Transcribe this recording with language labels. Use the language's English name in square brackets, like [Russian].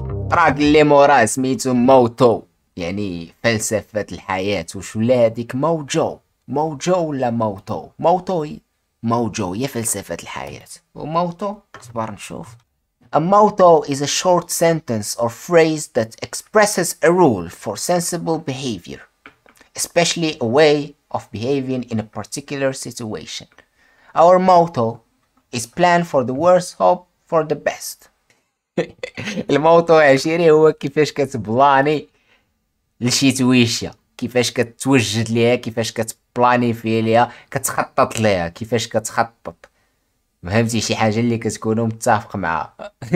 [Arabic] تراك اللي موراه سميتو موتو، يعني فلسفة الحياة، وش ولا هذيك موجو، موجو ولا موتو، موتوي موجو هي فلسفة الحياة، وموتو اصبر نشوف. [English] A motto is a short sentence or phrase that expresses a rule for sensible behavior, especially a way of behaving in a particular situation. Our motto is plan for the worst, hope for the best. [Arabic] الموتو عشيري هو كيفاش كتبلاني لشي تويشيا، كيفاش كتوجد ليها، كيفاش كتبلاني في ليها، كتخطط ليها، كيفاش كتخطط، فهمتي؟ شي حاجه اللي كتكونوا متفق معها.